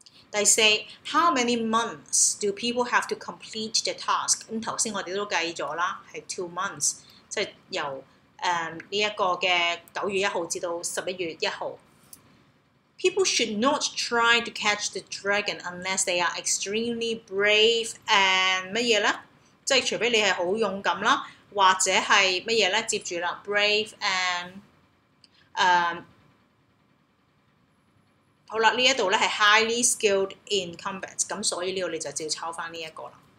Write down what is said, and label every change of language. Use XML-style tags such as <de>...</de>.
<yue>第四</yue> <en>，How many months do people have to complete the task？</en> <yue>咁頭先我哋都計咗啦，係 2 months， 即係由呢一個嘅九月一號至到十一月一號。</yue> <en>People should not try to catch the dragon unless they are extremely brave and</en> <yue>乜嘢咧？即係除非你係好勇敢啦，或者係乜嘢咧？接住啦 ，brave and 好啦，呢一度咧係</yue> <en>highly skilled in combat，</en> <yue>咁所以呢度你就照抄翻呢一個啦。</yue>